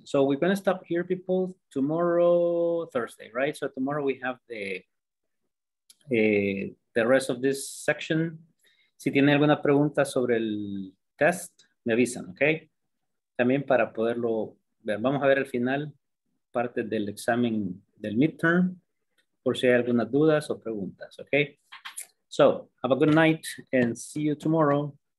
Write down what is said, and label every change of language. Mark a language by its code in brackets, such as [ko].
[en] So we're going to stop here, people, tomorrow, Thursday, right? So tomorrow we have the rest of this section. [es] Si tiene alguna pregunta sobre el test, me avisan, okay? También para poderlo ver. Vamos a ver al final parte del examen del midterm. Por si hay algunas dudas o preguntas, okay? [en] So, have a good night and see you tomorrow.